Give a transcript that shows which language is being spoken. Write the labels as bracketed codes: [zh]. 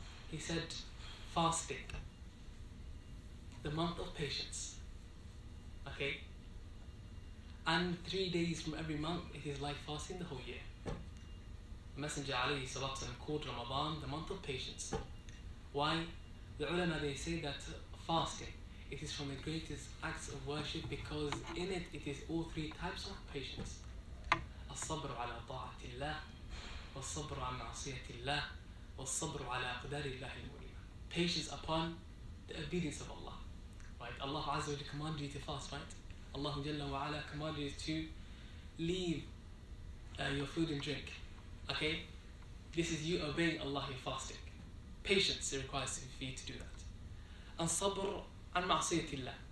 [en] He said, fasting, the month of patience, okay, and 3 days from every month, it is like fasting the whole year. The Messenger alayhi salatu wasalam called Ramadan the month of patience. Why? The ulama, they say that fasting, it is from the greatest acts of worship because in it, it is all three types of patience. [ar] الصبر على طاعة الله والصبر عن معصية الله والصبر على أقدار الله المؤلمة. [en] Patience upon the obedience of Allah. Right? Allah Azza wa Jalla commanded you to fast, right? Allah Jalla wa Ala commanded you to leave your food and drink. Okay? This is you obeying Allah, you're fasting. Patience requires for you to do that. And [ar] sabr an ma'siyatillah.